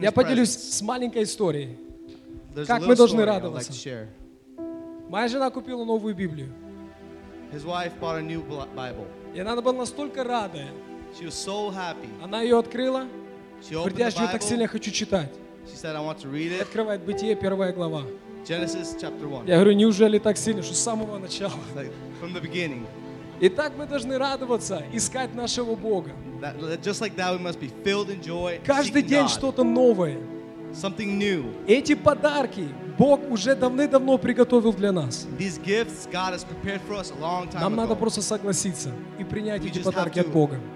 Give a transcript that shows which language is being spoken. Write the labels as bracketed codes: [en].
[ru] presence. Я поделюсь с маленькой историей. Как мы должны радоваться? Моя жена купила новую Библию. [en] His wife bought a new Bible. [ru] И она была настолько рада. [en] She was so happy. [ru] Она ее открыла. [en] She opened the Bible. [ru] Я так сильно хочу читать. [en] She said, I want to read it. [ru] Открывает Бытие, первая глава. [en] Genesis chapter 1. [ru] Я говорю, неужели так сильно, что с самого начала? [en] Like, from the beginning. [ru] И так мы должны радоваться, искать нашего Бога. [en] Just like that, we must be filled in joy. [ru] Каждый день что-то новое. [en] Something new. [ru] Эти подарки Бог уже давным-давно приготовил для нас. [en] These gifts God has prepared for us a long time ago. [ru] Нам надо просто согласиться и принять эти подарки от Бога.